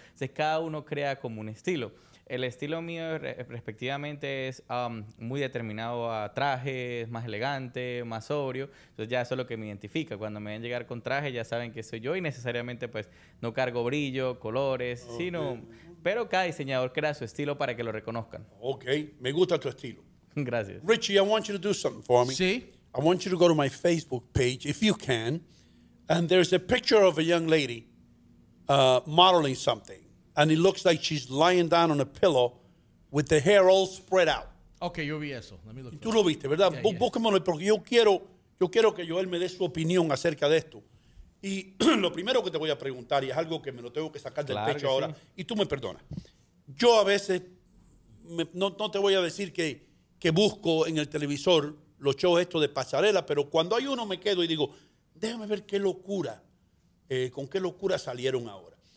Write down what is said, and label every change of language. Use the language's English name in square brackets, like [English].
[Spanish] Entonces, cada uno crea como un estilo. El estilo mío, respectivamente, es muy determinado a trajes, más elegante, más sobrio. Entonces, ya eso es lo que me identifica. Cuando me ven llegar con traje, ya saben que soy yo y necesariamente, pues, no cargo brillo, colores, okay. Sino... Pero cada diseñador crea su estilo para que lo reconozcan. Okay, me gusta tu estilo. Gracias. [English] Richie, I want you to do something for me. [Spanish] Sí. [English] I want you to go to my Facebook page, if you can. And there's a picture of a young lady modeling something. And it looks like she's lying down on a pillow with the hair all spread out. [Spanish] Okay, yo vi eso. [English] Let me look. [Spanish] Tú lo viste, ¿verdad? [English] Yeah, [Spanish] búscamelo, porque yo quiero que Joel me dé su opinión acerca de esto. Y lo primero que te voy a preguntar, y es algo que me lo tengo que sacar del pecho ahora, y tú me perdonas. Yo a veces, no te voy a decir que busco en el televisor los shows estos de pasarela, pero cuando hay uno me quedo y digo, déjame ver qué locura, con qué locura salieron ahora.